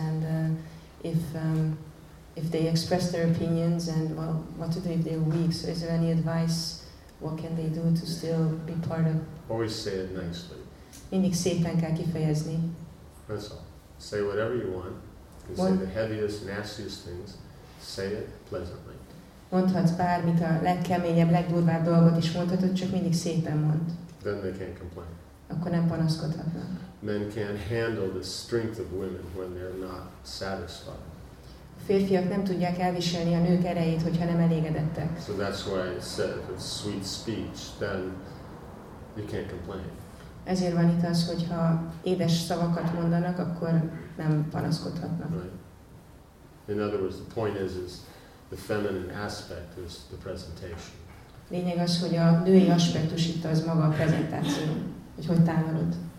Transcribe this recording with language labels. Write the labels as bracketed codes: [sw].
[en] And if they express their opinions, and well, what to do if they're weak? So is there any advice? What can they do to still be part of? Always say it nicely. [hu] Mindig szépen kell kifejezni. [en] That's all. Say whatever you want. You can say the heaviest, nastiest things. Say it pleasantly. [hu] Mondhatsz bármit, a legkeményebb, legdurvább dolgot is mondhatod, csak mindig szépen mond. [en] Then they can't complain. [hu] Akkor nem panaszkodhatnak. [en] Men can't handle the strength of women when they're not satisfied. [hu] A férfiak nem tudják elviselni a nők erejét, hogyha nem elégedettek. [en] So that's why I said if it's sweet speech, then you can't complain. [hu] Ezért van itt az, hogyha édes szavakat mondanak, akkor nem panaszkodhatnak. [en] Right. In other words, the point is the feminine aspect is the presentation. [hu] Lényeg az, hogy a női aspektus itt az maga a prezentáció, hogy hogy támarod.